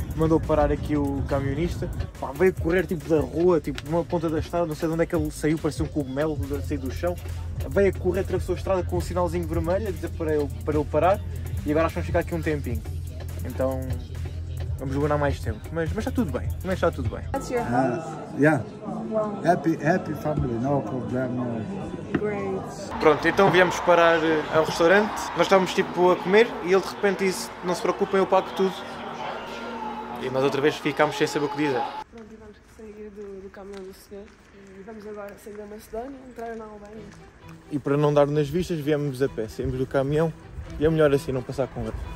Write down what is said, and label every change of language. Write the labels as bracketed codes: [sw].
[pt] que mandou parar aqui o camionista, pá, veio correr tipo da rua, tipo numa ponta da estrada, não sei de onde é que ele saiu, parecia um cogumelo a sair do chão, veio a correr, atravessou a estrada com um sinalzinho vermelho a dizer para ele parar, e agora acho que vamos ficar aqui um tempinho, então vamos durar mais tempo, mas está tudo bem, mas está tudo bem. [en] That's your house? Yeah, wow. happy family, no problem. Great. [pt] Pronto, então viemos parar ao restaurante, nós estávamos tipo a comer e ele de repente disse, não se preocupem, eu pago tudo. E nós outra vez ficámos sem saber o que dizer. Pronto, vamos sair do caminhão do senhor. E vamos agora sair da Macedónia, entrar na Albânia. E para não dar nas vistas, viemos a pé. Saímos do caminhão e é melhor assim, não passar com ele.